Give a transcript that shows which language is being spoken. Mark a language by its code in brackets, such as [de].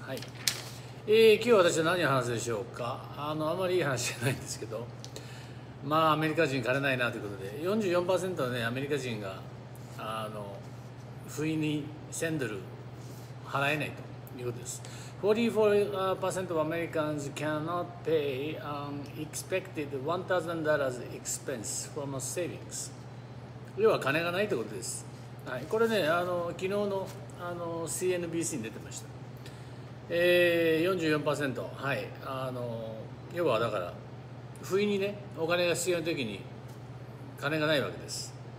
[ja] はい、今日私は何を話すでしょうか。あまりいい話じゃないんですけど、まあアメリカ人枯れないなということで、 44% の、ね、アメリカ人があの不意に1000ドル払えないということです。 [en] 44% of Americans cannot pay an expected $1,000 expense from a savings。 [ja] 要は金がないということです。はい、これね、昨日 の CNBC に出てました。 44%、はい、要はだから不意にねお金が必要な時に金がないわけです。